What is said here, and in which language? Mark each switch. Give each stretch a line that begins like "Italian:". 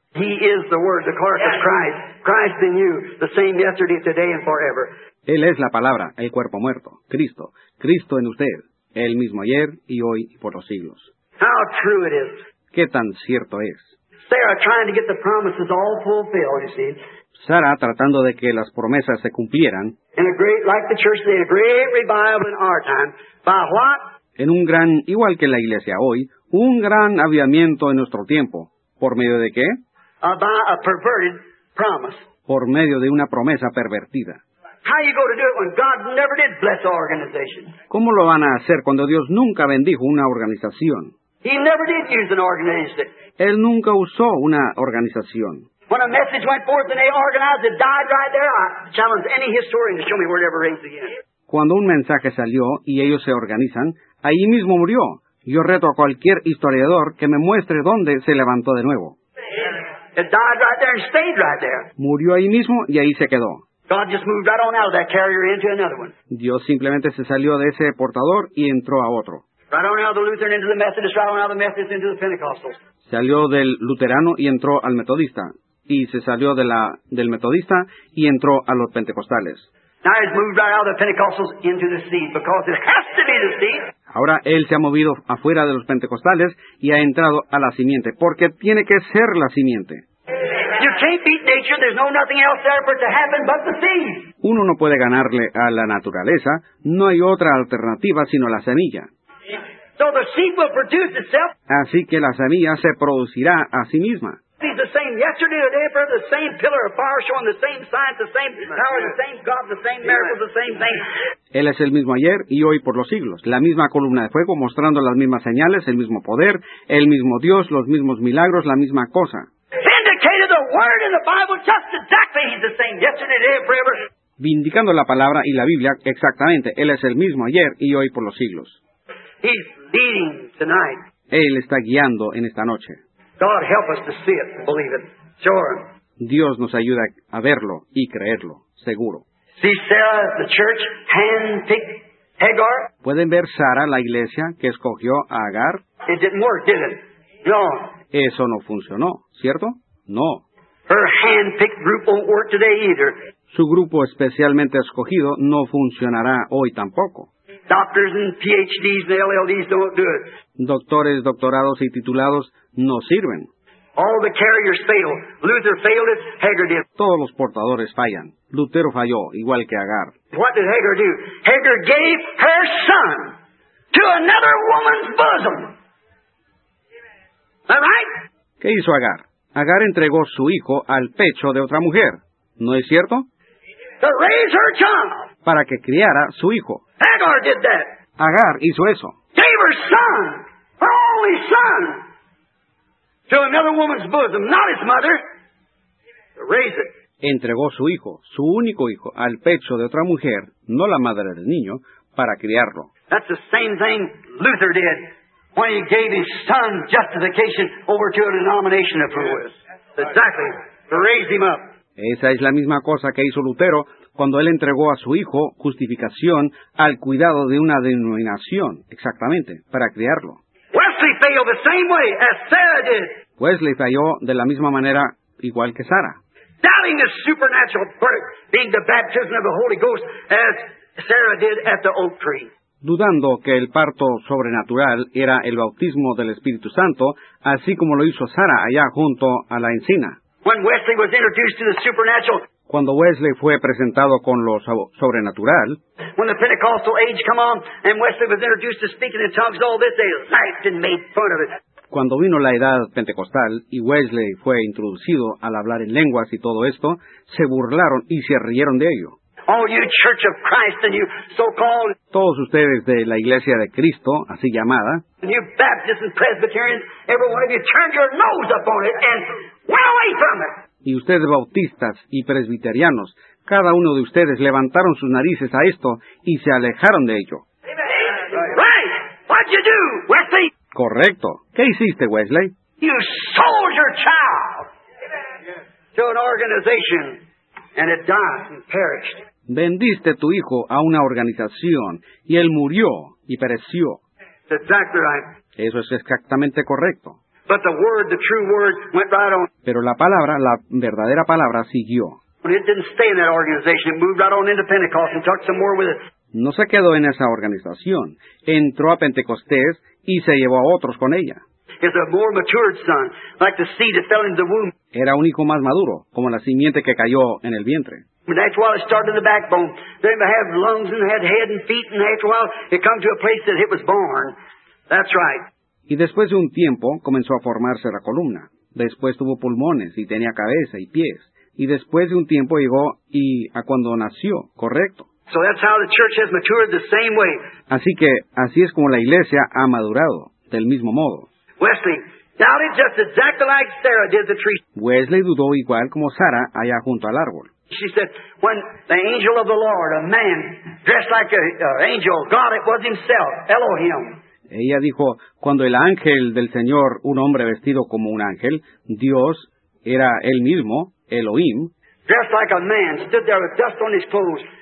English: He is the word, the carcass, Christ. Christ in you, the same yesterday, today, and forever.
Spanish: Él es la palabra, el cuerpo muerto, Cristo. Cristo en usted, el mismo ayer y hoy y por los siglos.
English: How true it is.
Spanish: ¿Qué tan cierto es?
English: Sarah trying to get the promises all fulfilled, you see.
Spanish: Sara tratando de que las promesas se cumplieran.
English: In a great, like the church today, a great revival in our time. By what?
Spanish: En un gran, igual que la iglesia hoy, un gran avivamiento en nuestro tiempo. ¿Por medio de qué?
English: By a perverted promise.
Spanish: Por medio de una promesa pervertida.
English: How you going to do it when God never did bless our organization?
Spanish: ¿Cómo lo van a hacer cuando Dios nunca bendijo una organización?
English: He never did use an organization.
Spanish: Él nunca usó una organización.
English: When a message went forth and they organized it, died right there, I challenge any historian to show me where it ever raised again.
Spanish: Cuando un mensaje salió y ellos se organizan, ahí mismo murió. Yo reto a cualquier historiador que me muestre dónde se levantó de nuevo.
English: It died right there and stayed right there.
Spanish: Murió ahí mismo y ahí se quedó.
English: God just moved right on out of that carrier into another one.
Spanish: Dios simplemente se salió de ese portador y entró a otro.
English: Right on out of the Lutheran into the Methodist, right on out of the Methodist into the Pentecostals.
Spanish: Salió del luterano y entró al metodista. Y se salió de la del metodista y entró a los pentecostales.
English: Now he's moved right out of the Pentecostals into the seed, because it has to be the seed.
Spanish: Ahora él se ha movido afuera de los pentecostales y ha entrado a la simiente, porque tiene que ser la simiente.
English: You can't beat nature, there's no nothing else there for it to happen but the seed.
Spanish: Uno no puede ganarle a la naturaleza, no hay otra alternativa sino la semilla.
English: So the seed will produce itself.
Spanish: Así que la semilla se producirá a sí misma.
English: He's the same yesterday, today, forever, the same pillar of fire showing the same signs, the same power, the same God, the same miracles, the same thing.
Spanish: Él es el mismo ayer y hoy por los siglos. La misma columna de fuego mostrando las mismas señales, el mismo poder, el mismo Dios, los mismos milagros, la misma cosa.
English: Vindicated the word in the Bible just exactly. He's the same yesterday, today, forever.
Spanish: Vindicando la palabra y la Biblia exactamente. Él es el mismo ayer y hoy por los siglos.
English: He's leading tonight.
Spanish: Él está guiando en esta noche.
English: God help us to see it, believe it. Sure.
Spanish: Dios nos ayuda a verlo y creerlo, seguro.
English: See Sarah, the church, hand-picked Hagar?
Spanish: ¿Pueden ver Sara, la iglesia, que escogió a Agar?
English: It didn't work, did it? No.
Spanish: Eso no funcionó, ¿cierto? No.
English: Her hand-picked group won't work today either.
Spanish: Su grupo especialmente escogido no funcionará hoy tampoco.
English: Doctors and PhDs and LLDs don't do it.
Spanish: Doctores, doctorados y titulados no sirven.
English: All the carriers fail. Luther failed it, Hagar did.
Spanish: Todos los portadores fallan. Lutero falló, igual que Agar.
English: What did Hagar do? Hagar gave her son to another woman's bosom. All right?
Spanish: ¿Qué hizo Agar? Agar entregó su hijo al pecho de otra mujer. ¿No es cierto?
English: To raise her child.
Spanish: Para que criara su hijo.
English: Hagar did that.
Spanish: Agar hizo eso.
English: Gave her son, her only son, to another woman's bosom, not his mother, to raise it.
Spanish: Entregó su hijo, su único hijo, al pecho de otra mujer, no la madre del niño, para criarlo.
English: That's the same thing Luther did when he gave his son justification over to a denomination of fools. Exactly, to raise him up.
Spanish: Esa es la misma cosa que hizo Lutero cuando él entregó a su hijo, justificación, al cuidado de una denominación, exactamente, para criarlo.
English: Wesley failed the same way as Sarah did.
Spanish: Wesley falló de la misma manera, igual que Sarah.
English: Doubting the supernatural birth, being the baptism of the Holy Ghost, as Sarah did at the oak tree.
Spanish: Dudando que el parto sobrenatural era el bautismo del Espíritu Santo, así como lo hizo Sarah allá junto a la encina.
English: When Wesley was introduced to the supernatural,
Spanish: cuando Wesley fue presentado con lo sobrenatural,
English: when the Pentecostal age came on and Wesley was introduced to speaking in tongues, all this they laughed and made fun of it.
Spanish: Cuando vino la edad pentecostal y Wesley fue introducido al hablar en lenguas y todo esto, se burlaron y se rieron de ello.
English: All you Church of Christ and you so-called,
Spanish: todos ustedes de la Iglesia de Cristo, así llamada,
English: and you Baptists and Presbyterians, every one of you turned your nose up on it and went away from it.
Spanish: Y ustedes bautistas y presbiterianos, cada uno de ustedes levantaron sus narices a esto y se alejaron de ello.
English: Right. What'd you do, Wesley?
Spanish: Correcto. ¿Qué hiciste, Wesley?
English: You sold your child to an organization and it died and perished.
Spanish: Vendiste tu hijo a una organización y él murió y pereció.
English: Exactly right.
Spanish: Eso es exactamente correcto.
English: But the word, the true word, went right on.
Spanish: Pero la palabra, la verdadera palabra, siguió.
English: It didn't stay in that organization. It moved right on into Pentecost and took some more with it.
Spanish: No se quedó en esa organización. Entró a Pentecostés y se llevó a otros con ella.
English: It's a more matured son, like the seed that fell into the womb.
Spanish: Era un hijo más maduro, como la simiente que cayó en el vientre.
English: And after a while, it started in the backbone. Then it had lungs and it had head and feet. And after a while, it came to a place that it was born. That's right.
Spanish: Y después de un tiempo, comenzó a formarse la columna. Después tuvo pulmones, y tenía cabeza y pies. Y después de un tiempo llegó y a cuando nació, correcto.
English: So that's how the church has matured the same way.
Spanish: Así que, así es como la iglesia ha madurado, del mismo modo.
English: Wesley, doubted just exactly like Sarah did the tree.
Spanish: Wesley dudó igual como Sara allá junto al árbol.
English: She said, when the angel of the Lord, a man, dressed like an angel, God it was himself, Elohim.
Spanish: Ella dijo, cuando el ángel del Señor, un hombre vestido como un ángel, Dios, era él mismo, Elohim,
English: dressed like a man, stood there with dust on his clothes,